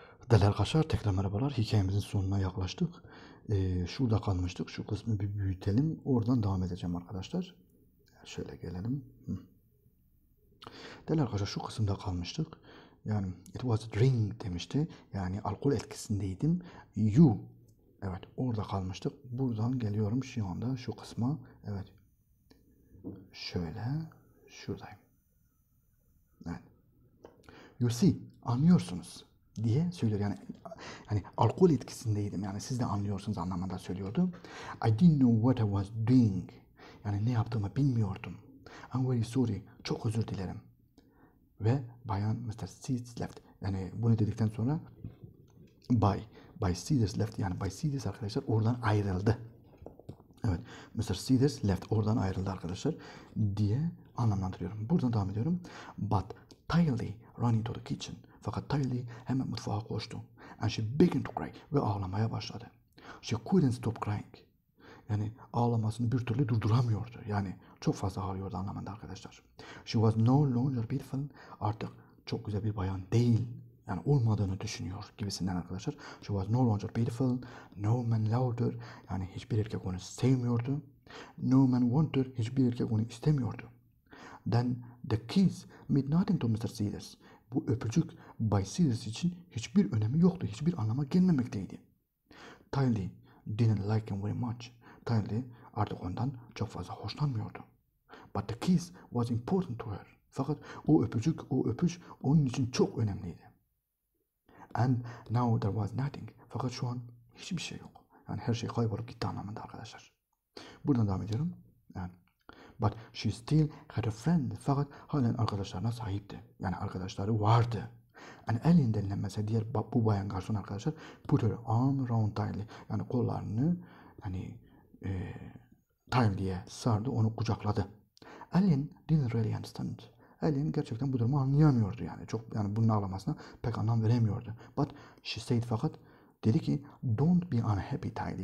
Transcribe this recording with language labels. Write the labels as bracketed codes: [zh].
[tr] Delal Kaşar, tekrar merhabalar. Hikayemizin sonuna yaklaştık. Şurada kalmıştık. Şu kısmı bir büyütelim. Oradan devam edeceğim arkadaşlar. Şöyle gelelim. Delal Kaşar şu kısımda kalmıştık. Yani [en] it was a drink [tr] demişti. Yani alkol etkisindeydim. You. Evet, orada kalmıştık. Buradan geliyorum şu anda şu kısma. Evet. Şöyle. Şuradayım. Evet. [en] You see, [tr] anlıyorsunuz diye söylüyor. Yani hani alkol etkisindeydim. Yani siz de anlıyorsunuz anlamında söylüyordu. [en] I didn't know what I was doing. [tr] Yani ne yaptığımı bilmiyordum. [en] I'm very sorry. [tr] Çok özür dilerim. Ve bayan [en] Mr. Seeds left. [tr] Yani bunu dedikten sonra Bay Seeders left. Yani Bay Seeders arkadaşlar oradan ayrıldı. Evet. [en] Mr. Seeders left. [tr] Oradan ayrıldı arkadaşlar. Diye anlamlandırıyorum. Buradan devam ediyorum. [en] But Tilly ran into the kitchen. [tr] Fakat Tilly hemen mutfağa koştu. [en] And she began to cry. [tr] Ve ağlamaya başladı. [en] She couldn't stop crying. [tr] Yani ağlamasını bir türlü durduramıyordu. Yani çok fazla ağlıyordu anlamında arkadaşlar. [en] She was no longer beautiful. [tr] Artık çok güzel bir bayan değil. Yani olmadığını düşünüyor gibisinden arkadaşlar. [en] She was no longer beautiful. No man loved her. [tr] Yani hiçbir erkek onu sevmiyordu. [en] No man wanted her. [tr] Hiçbir erkek onu istemiyordu. [en] Then the kiss meant nothing to Mr. Seeders. [tr] Bu öpücük Bay Seeders için hiçbir önemi yoktu. Hiçbir anlama gelmemekteydi. [en] Tilly didn't like him very much. [tr] Tilly artık ondan çok fazla hoşlanmıyordu. [en] But the kiss was important to her. [tr] Fakat o öpüş onun için çok önemliydi. [en] And now there was nothing. [tr] Fakat şu an hiçbir şey yok. Yani her şey kaybolup gitti anlamında arkadaşlar. Buradan devam ediyorum. Yani, [en] but she still had a friend. [tr] Fakat halen arkadaşlarına sahipti. Yani arkadaşları vardı. And Ellen denilen mesela diğer bu bayan garson arkadaşlar [en] put her arm around Tilly. [tr] Yani kollarını hani Tilly'ye sardı. Onu kucakladı. [en] Ellen didn't really understand. [tr] Ellen gerçekten bu durumu anlayamıyordu yani. Çok yani bunun ağlamasına pek anlam veremiyordu. [en] But she said [tr] fakat dedi ki [en] don't be unhappy Tilly.